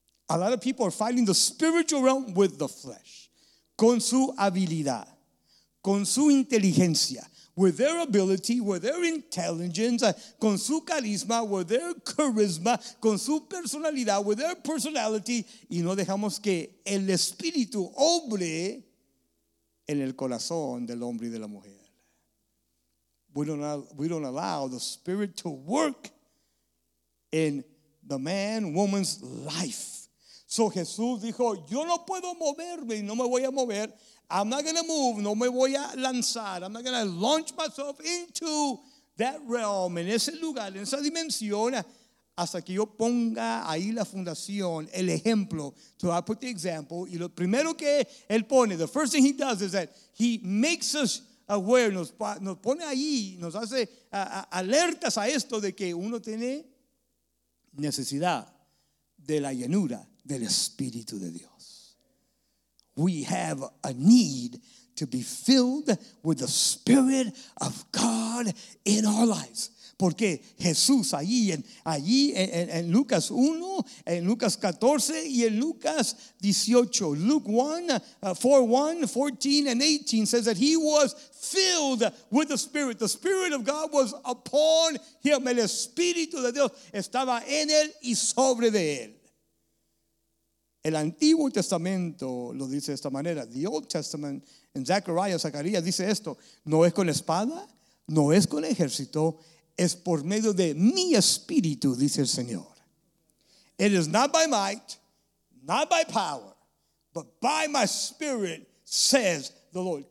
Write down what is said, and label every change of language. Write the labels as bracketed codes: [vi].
[en] A lot of people are fighting the spiritual realm with the flesh, [es] con su habilidad, con su inteligencia, [en] with their ability, with their intelligence, [es] con su carisma, [en] with their charisma, [es] con su personalidad, [en] with their personality, [es] y no dejamos que el espíritu obre en el corazón del hombre y de la mujer. [en] We don't allow the Spirit to work in the man, woman's life. [es] So Jesús dijo, yo no puedo moverme, no me voy a mover. [en] I'm not going to move, [es] no me voy a lanzar. [en] I'm not going to launch myself into that realm, [es] en ese lugar, en esa dimensión, hasta que yo ponga ahí la fundación, el ejemplo. [en] So I put the example. [es] Y lo primero que él pone, [en] the first thing he does is that he makes us aware, [es] nos pone ahí, nos hace alertas a esto de que uno tiene necesidad de la llenura del Espíritu de Dios. [en] We have a need to be filled with the Spirit of God in our lives. [es] Porque Jesús allí en Lucas 1, en Lucas 14 y en Lucas 18. [en] Luke 1, 4, 1, 14 and 18 says that he was filled with the Spirit. The Spirit of God was upon him. [es] El Espíritu de Dios estaba en él y sobre de él. El Antiguo Testamento lo dice de esta manera. [en] The Old Testament [es] en Zechariah, Zacarías dice esto. No es con espada, no es con ejército. Es por medio de mi espíritu, dice el Señor. [en] It is not by might, not by power, but by my spirit, says the Lord.